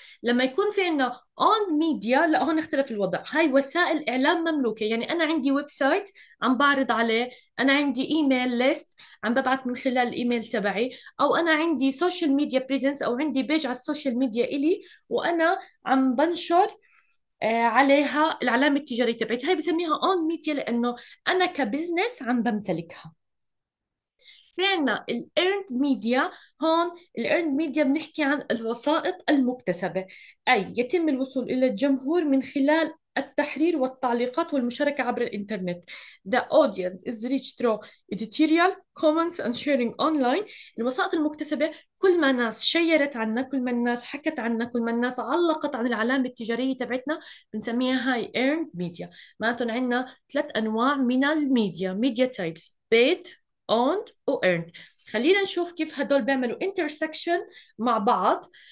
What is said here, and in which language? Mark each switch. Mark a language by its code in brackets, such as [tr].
[ar] لما يكون في عنا owned media، لا هون اختلف الوضع، هاي وسائل إعلام مملوكة، يعني أنا عندي ويب سايت عم بعرض عليه، أنا عندي إيميل ليست عم ببعت من خلال الإيميل تبعي، أو أنا عندي سوشيال ميديا بريزنس أو عندي بيج على السوشيال ميديا إلي وأنا عم بنشر عليها العلامة التجارية تبعتي، هاي بسميها own media لأنه أنا كبزنس عم بمتلكها. في عنا الـ earned media، هون الـ earned media بنحكي عن الوسائط المكتسبة، أي يتم الوصول إلى الجمهور من خلال التحرير والتعليقات والمشاركة عبر الإنترنت. [en] The audience is reached through editorial, comments and sharing online. [ar] الوسائط المكتسبة كل ما الناس شيرت عنا، كل ما الناس حكت عنا، كل ما الناس علقت عن العلامة التجارية تبعتنا بنسميها هاي earned media. معناته عندنا ثلاث أنواع من الميديا، [en] media types paid owned [ar] و earned. خلينا نشوف كيف هدول بيعملوا intersection مع بعض.